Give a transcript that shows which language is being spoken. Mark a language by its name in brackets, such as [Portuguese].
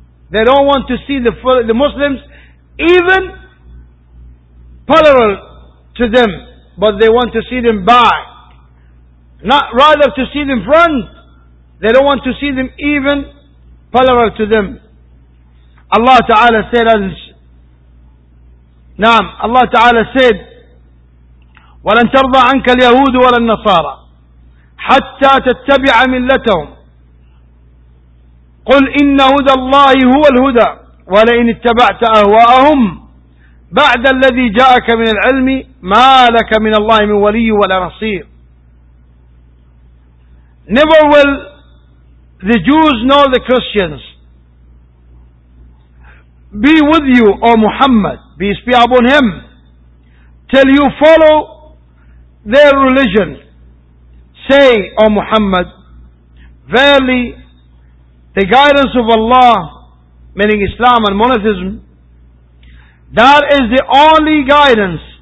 [English] They don't want to see the Muslims even parallel to them, but they want to see them back, not rather to see them front. They don't want to see them even parallel to them. Allah Ta'ala said, Allah Ta'ala said [Arabic] ولن ترضى عنك اليهود ولا النصارى حتى تتبع ملتهم. قل إن هدى الله هو الهدى ولئن اتبعت أهواءهم بعد الذي جاءك من العلم ما لك من الله من ولي ولا نصير. [English] Never will the Jews nor the Christians be with you, O Muhammad, peace be upon him, till you follow their religion. Say, O Muhammad, verily the guidance of Allah, meaning Islam and monotheism, that is the only guidance.